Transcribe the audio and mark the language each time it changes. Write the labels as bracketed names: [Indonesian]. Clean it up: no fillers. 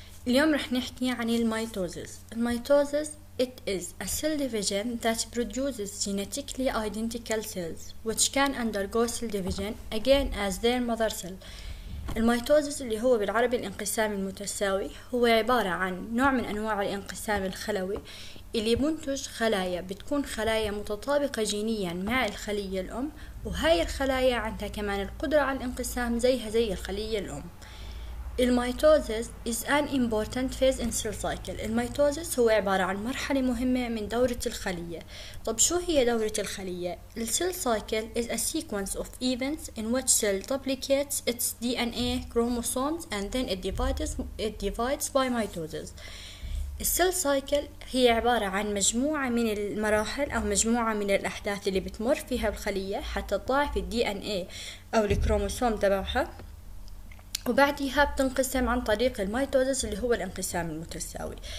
[Arabic] اليوم رح نحكي عن الميتوزيس. [English] الميتوزيس it is a cell division that produces genetically identical cells which can undergo cell division again as their mother cell. [Arabic] الميتوزيس اللي هو بالعربي الانقسام المتساوي هو عبارة عن نوع من أنواع الانقسام الخلوي اللي منتج خلايا بتكون خلايا متطابقة جينيا مع الخلية الأم، وهاي الخلايا عندها كمان القدرة على الانقسام زيها زي الخلية الأم. [English] الميتوزيس is an important phase in cell cycle. [Arabic] الميتوزيس هو عبارة عن مرحلة مهمة من دورة الخلية. طب شو هي دورة الخلية؟ [English] The cell cycle is a sequence of events in which cell duplicates its DNA chromosomes and then it divides by mitosis. [Arabic] السيل سايكل هي عبارة عن مجموعة من المراحل أو مجموعة من الأحداث اللي بتمر فيها الخلية حتى تطلع في الدي ان اي أو الكروموسوم تبعها، وبعدها بتنقسم عن طريق الميتوزيس اللي هو الانقسام المتساوي.